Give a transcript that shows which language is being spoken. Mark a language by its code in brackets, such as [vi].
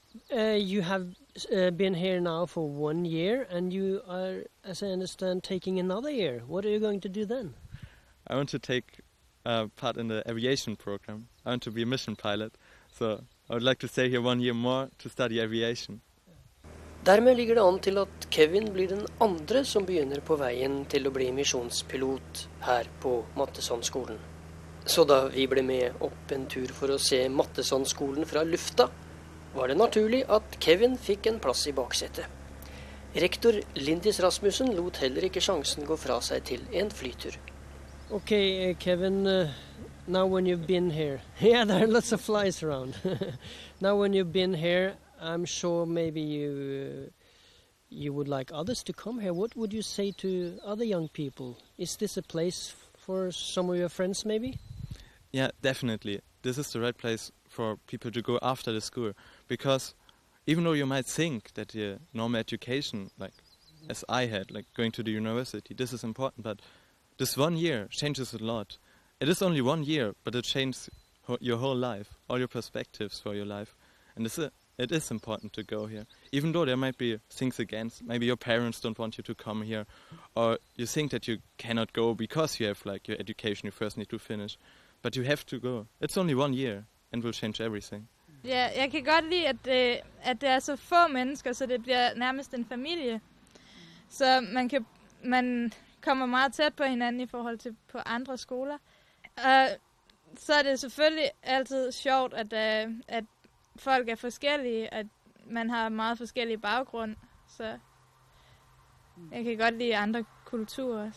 [en] You have been here now for 1 year, and you are, as I understand, taking another year. What are you going to do then? I want to take part in the aviation program. I want to be a mission pilot. So I would like to stay here 1 year more to study aviation. [no] Dermed ligger det an til at Kevin blir den andre som begynner på veien til å bli misjonspilot her på Mattesson-skolen. Så da vi ble med opp en tur for å se Mattesson-skolen fra lufta, var det naturlig at Kevin fikk en plass i baksetet. Rektor Lindis Rasmussen lot heller ikke sjansen gå fra seg til en flytur. [en] Ok, Kevin, now when you've been here... Yeah, there are lots of flies around. Now when you've been here... I'm sure maybe you would like others to come here. What would you say to other young people? Is this a place for some of your friends maybe? Yeah, definitely. This is the right place for people to go after the school. Because even though you might think that your normal education, like as I had, like going to the university, this is important, but this 1 year changes a lot. It is only 1 year, but it changes your whole life, all your perspectives for your life. And this is... It is important to go here, even though there might be things against. Maybe your parents don't want you to come here, or you think that you cannot go because you have like your education you first need to finish. But you have to go. It's only 1 year, and will change everything. [da] Ja, jeg kan godt lide, at det er så få mennesker, så det bliver nærmest en familie. Så man kommer meget tæt på hinanden i forhold til på andre skoler. Så er det selvfølgelig altid sjovt, at folk er forskellige, at man har meget forskellige baggrund, så jeg kan godt lide andre kulturer.